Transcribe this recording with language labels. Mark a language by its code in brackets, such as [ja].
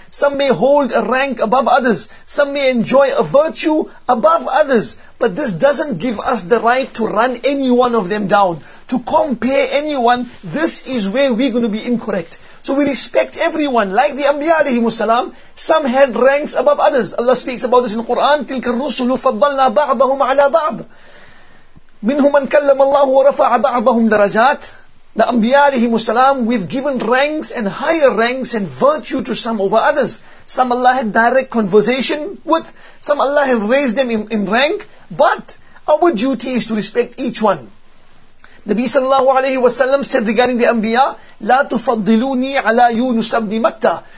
[en] Some may hold a rank above others. Some may enjoy a virtue above others. But this doesn't give us the right to run any one of them down, to compare anyone. This is where we're going to be incorrect. So we respect everyone, like the Anbiya alayhi wasalam. Some had ranks above others. Allah speaks about this in the Quran, [ar] تِلْكَ الرُّسُلُ فَضَّلْنَا بَعْضَهُمْ عَلَىٰ بَعْضٍ مِنْهُمْ مَنْ كَلَّمَ اللَّهُ وَرَفَعَ بَعْضَهُمْ دَرَجَاتٍ. [en] The Anbiya alayhi wasalam, we've given ranks and higher ranks and virtue to some over others. Some Allah had direct conversation with, some Allah had raised them in rank, but our duty is to respect each one. Nabi sallallahu alayhi wasallam said regarding the Anbiya, [ar] لا تفضلوني على يونس بن متى.